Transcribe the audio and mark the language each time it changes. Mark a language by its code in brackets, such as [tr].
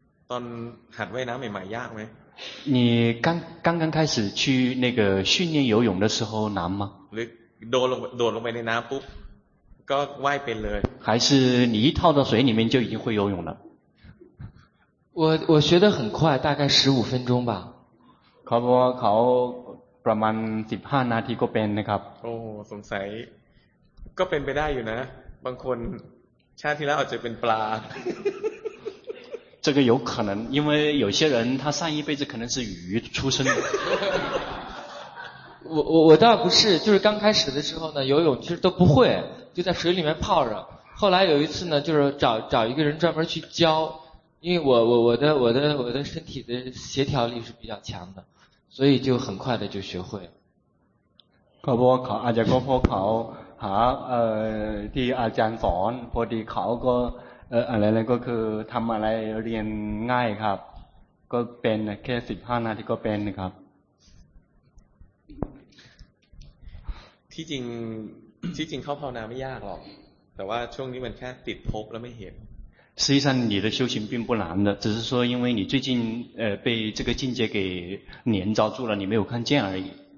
[th] ตอนหัดว่ายน้ำใหม่ๆยากไหม [zh] 你刚刚开始去那个训练游泳的时候难吗 [th] หรือโดดลงไปในน้ำปุ๊บ ก็ไหว้ไปเลย [zh] 还是你一套到水里面就已经会游泳了我学得很快大概15分钟吧 [th] เขาบอกเขาประมาณ15นาทีก็เป็นนะครับ โอ้สงสัยก็เป็นไปได้อยู่นะบางคนชาติที่แล้วอาจจะเป็นปลา [zh] 这个有可能因为有些人他上一辈子可能是鱼出生的我倒不是就是刚开始的时候呢游泳其实都不会就在水里面泡着后来有一次呢就是找一个人专门去教因为我的身体的协调力是比较强的所以就很快的就学会了 [th] ก็พอเขาอาจจะก็พอเขาหาที่อาจารย์สอนพอดีเขาก็อะไรก็คือทำอะไรเรียนง่ายครับก็เป็นแค่15นาทีก็เป็นครับ ที่จริงเข้าภาวนาไม่ยากหรอกแต่ว่าช่วงนี้มันแค่ติดภพแล้วไม่เห็น [zh] 实际上你的修行并不难的只是说因为你最近被这个境界给黏着住了你没有看见而已